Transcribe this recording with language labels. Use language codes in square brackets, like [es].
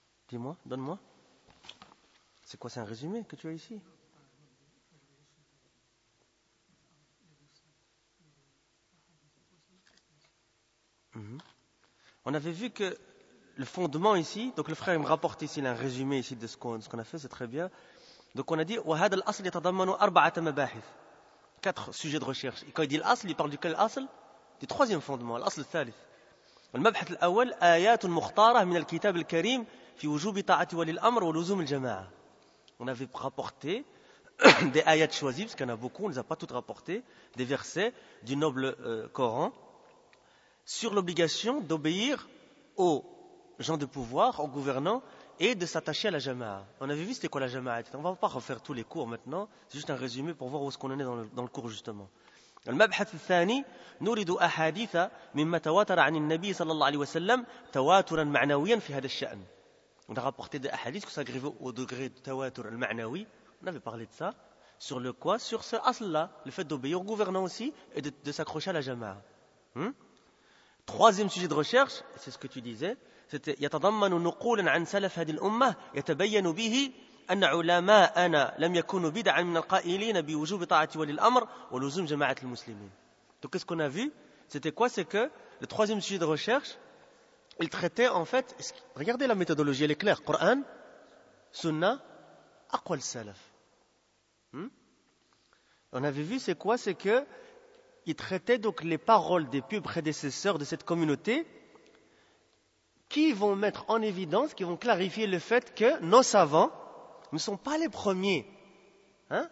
[fr] Dis-moi, donne-moi. C'est quoi, c'est un résumé que tu as ici? On avait vu que le fondement ici, donc le frère il me rapporte ici un résumé ici de ce qu'on a fait, c'est très bien. Donc on a dit [ar] وَهَذَا الْأَصْلِ يَتَضَمَّنُوا أَرْبَعَةَ مَبَاحِثِ. [fr] Quatre sujets de recherche. Et quand il dit l'asl, il parle duquel l'asl? Du troisième fondement, l'asl thalith. [ar] المبحث الأول آيات مختارة من الكتاب الكريم في وجوب طاعة ولي الأمر ولزوم الجماعة. [fr] On avait rapporté des ayats choisis, parce qu'il y en a beaucoup, on ne les a pas toutes rapportées, des versets du noble Coran sur l'obligation d'obéir aux gens de pouvoir, aux gouvernants, et de s'attacher à la jama'a. On avait vu c'était quoi la jama'a. On ne va pas refaire tous les cours maintenant, c'est juste un résumé pour voir où est-ce qu'on en est dans le cours justement. [ar] المبحث الثاني نريد أحاديث مما تواتر عن النبي صلى الله عليه وسلم تواترا معنويا في هذا الشأن. [fr] On a rapporté des hadiths qui s'agrivaient au degré de tawatur al-ma'nawi. On avait parlé de ça. Sur le quoi? Sur ce asl-là, le fait d'obéir au gouvernant aussi et de s'accrocher à la jama'a. Troisième sujet de recherche, c'est ce que tu disais, c'était [ar] « يتضمن نقول عن سلف هذه الأمة يتبين به أن علماءنا لم يكونوا بدعا من القائلين بوجوب طاعة ولي الأمر ولزوم جماعة المسلمين. » [fr] Donc qu'est-ce qu'on a vu? C'était quoi? C'est que le troisième sujet de recherche, il traitait en fait, regardez la méthodologie, elle est claire, Coran, Sunna, Aqwal Salaf. On avait vu, c'est quoi? C'est que il traitait donc les paroles des pieux prédécesseurs de cette communauté qui vont mettre en évidence, qui vont clarifier le fait que nos savants ne sont pas les premiers. Hein?